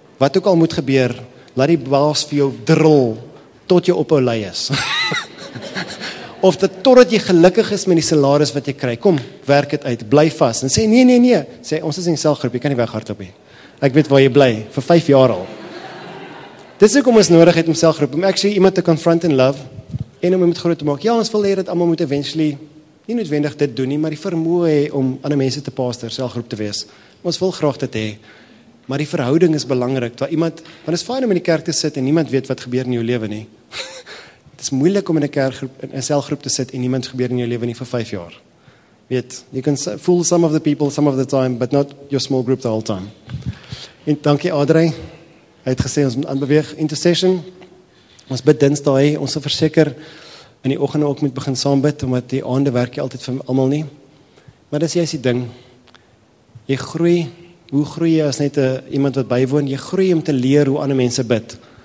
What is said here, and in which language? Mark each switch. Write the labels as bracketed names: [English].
[Afrikaans] Wat ook al moet gebeur, laat die baas vir jou drill tot jy ophou ly is. Of dat totdat jy gelukkig is met die salaris wat jy kry. Kom, werk dit uit, bly vas. En sê, nee. Sê, ons is in selgroep, jy kan nie weghardloop nie. Ek weet waar jy bly, vir 5 jaar al. Dis hoekom ons nodig het om selgroep, om actually iemand te [English] confront in love, [Afrikaans] en om iemand groot te maak. Ja, ons wil hê dat almal moet eventually, nie noodwendig dit doen nie, maar die vermoë om ander mense te pastor, selgroep te wees. Ons wil graag dit hê. Maar die verhouding is belangrik, waar iemand, want is fijn om in die kerk te sit, en niemand weet wat gebeur in jou lewe nie. Het is moeilik om in 'n kerkgroep in 'n selgroep te sit en niemand gebeur in jou lewe nie vir 5 jaar. [English] Weet, you can fool some of the people some of the time, but not your small group the whole time. [Afrikaans] En dankie Audrey. Hy het gesê ons moet aanbeweeg intercession. Ons bid Dinsdae, ons sal verseker in die oggende ook moet begin saam bid omdat die aande werk jy altyd vir almal nie. Maar dis jy's die ding. Jy groei, hoe groei jy as net 'n iemand wat bywoon? Jy groei om te leer hoe ander mense bid.